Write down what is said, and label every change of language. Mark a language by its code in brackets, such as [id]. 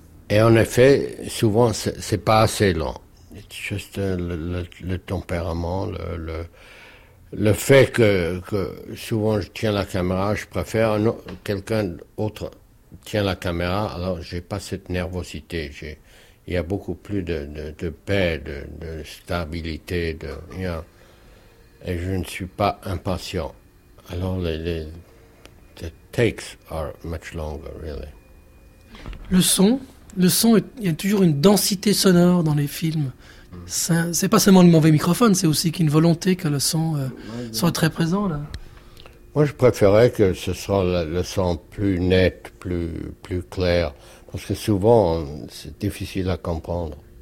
[fr] Et en effet, souvent, c'est pas assez long. C'est juste le tempérament, le fait que souvent je tiens la caméra, je préfère quelqu'un d'autre tient la caméra, alors j'ai pas cette nervosité. Il y a beaucoup plus de paix, de stabilité, de rien. Et je ne suis pas impatient. Alors les [en] takes are much longer, really. [fr] Le son, il y a toujours une densité sonore dans les films. C'est pas seulement le mauvais microphone, c'est aussi qu'une volonté que le son soit très présent là. Moi, je préférais que ce soit le son plus net, plus clair, parce que souvent c'est difficile à comprendre.